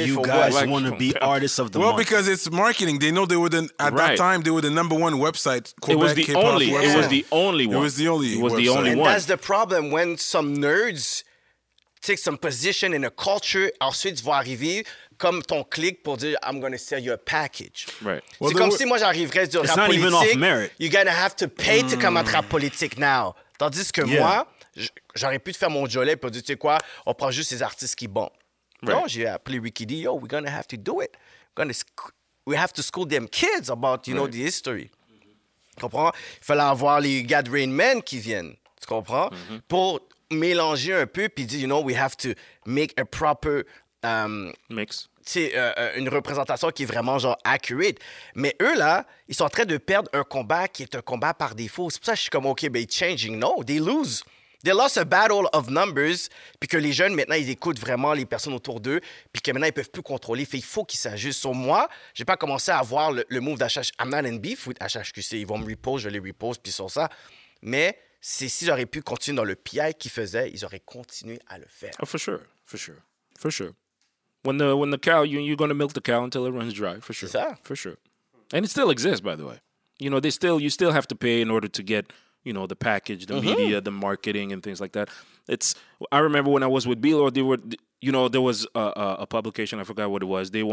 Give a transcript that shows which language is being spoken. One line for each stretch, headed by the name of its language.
English: you guys like, want to be artists of the month. Well, because it's marketing. They know they were at that time they were the number one website. Quebec, it was the K-pop only. Website. It was the only one. It was the only. It was website. The only and one. That's the problem when some nerds take some position in a culture.
French: Ensuite, vont arriver comme ton clique pour dire
English: I'm going to sell you a package. Right.
French: Well, c'est comme si moi j'arriverais sur la politique.
English: It's not even off merit. You're going to have to pay to come at rap politique now.
French: Tandis que moi. J'aurais pu te faire mon jolet pour dire, tu sais quoi, on prend juste ces artistes qui bon.
English: Right.
French: Non, j'ai appelé
English: Ricky D, yo, we're going to have to do it. We have to school them kids about, you know, the history.
French: Mm-hmm. Tu comprends? Il fallait avoir les gars de Rain Man qui viennent, tu comprends? Mm-hmm. Pour mélanger un peu, puis dire, you know,
English: we have to make a proper... mix.
French: Tu sais, une représentation qui est vraiment, genre, accurate. Mais eux, là, ils sont en train de perdre un combat qui est un combat par défaut. C'est pour ça que je suis comme, OK, ben, changing.
English: No, they lose. They lost a battle of numbers,
French: puis que les jeunes, maintenant, ils écoutent vraiment les personnes autour d'eux, puis que maintenant, ils ne peuvent plus contrôler. Fait, il faut qu'ils s'ajustent. Sur moi, je n'ai pas commencé à voir le move d'HHQC.
English: I'm not in beef with HHQC.
French: Ils vont me repose, je les repose, puis sur ça. Mais c'est, s'ils auraient pu continuer dans le PI qu'ils faisaient, ils auraient continué à le faire.
English: Oh, for sure. For sure. For sure. When the cow, you're going to milk the cow until it runs dry. For sure.
French: C'est ça.
English: For sure. And it still exists, by the way. You know, you still have to pay in order to get, you know, the package, the mm-hmm. media, the marketing, and things like that. It's. I remember when I was with B-Lo, they were, you know, there was a publication. I forgot what it was.